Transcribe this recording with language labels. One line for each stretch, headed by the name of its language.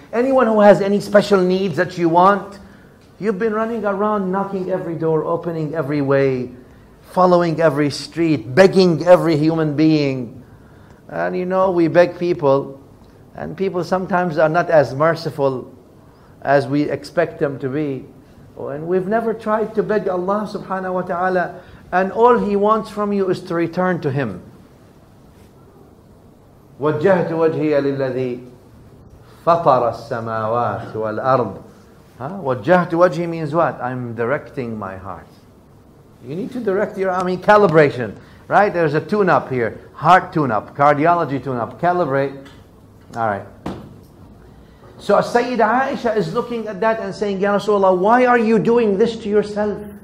English: Anyone who has any special needs that you want? You've been running around, knocking every door, opening every way, following every street, begging every human being. And you know, we beg people, and people sometimes are not as merciful as we expect them to be. And we've never tried to beg Allah subhanahu wa ta'ala, and all He wants from you is to return to Him.
Arabic: وجهت وجهي للذي فطر السماوات والأرض. وجهت وجهي
English: means what? I'm directing my heart. You need to direct your, I mean, calibration. Right? There's a tune-up here. Heart tune-up, cardiology tune-up, calibrate. All right. So Sayyidah Aisha is looking at that and saying, Ya Rasulullah, why are you doing this to yourself?